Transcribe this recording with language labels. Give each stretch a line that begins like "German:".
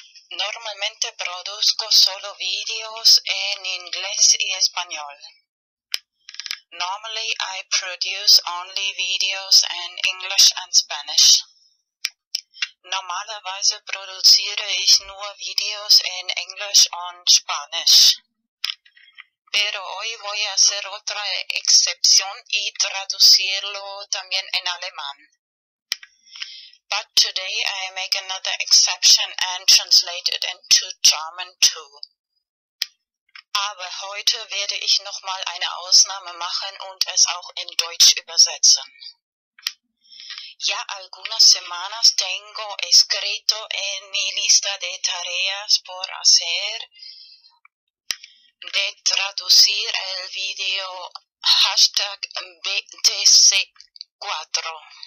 Spanish: Normalmente produzco solo videos en inglés y español.
English: Normally I produce only videos in English and Spanish.
German: Normalerweise produziere ich nur Videos en Englisch und Spanisch.
Spanish: Pero hoy voy a hacer otra excepción y traducirlo también en alemán.
English: But today I make another exception and translate it into German too.
German: Aber heute werde ich nochmal eine Ausnahme machen und es auch in Deutsch übersetzen.
Spanish: Ya algunas semanas tengo escrito en mi lista de tareas por hacer de traducir el video hashtag BTC4.